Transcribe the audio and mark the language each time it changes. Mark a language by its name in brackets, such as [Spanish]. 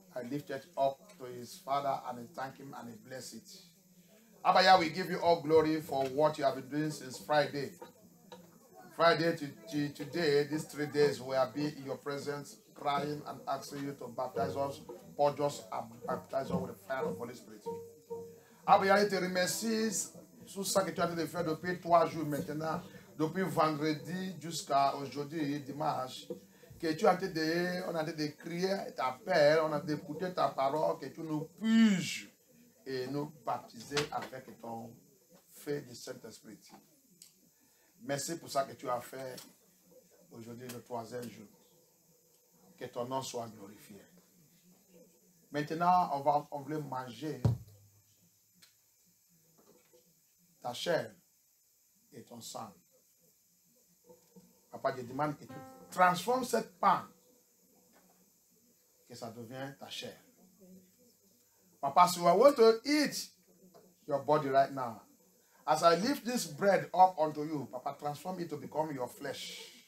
[English] I lift it up to his father and I thank him and I bless it. Abba Yah, we give you all glory for what you have been doing since Friday. Friday to today, these 3 days, we have been in your presence crying and asking you to baptize us, purge us, and baptize us with the fire of the Holy Spirit. [French] Abba Yah, te remercie sous ce que tu as de faire depuis 3 jours maintenant, depuis vendredi jusqu'à aujourd'hui, dimanche. Que tu as été on a été de crier ta paix, on a été d'écouter ta parole, que tu nous puisses et nous baptiser avec ton feu du Saint-Esprit. Merci pour ça que tu as fait aujourd'hui, le troisième jour. Que ton nom soit glorifié. Maintenant, on veut manger ta chair et ton sang. Papa, je demande que tu transforme cette pain, que ça devienne ta chair. [English] Papa, so I want to eat your body right now. As I lift this bread up unto you, Papa, transform it to become your flesh.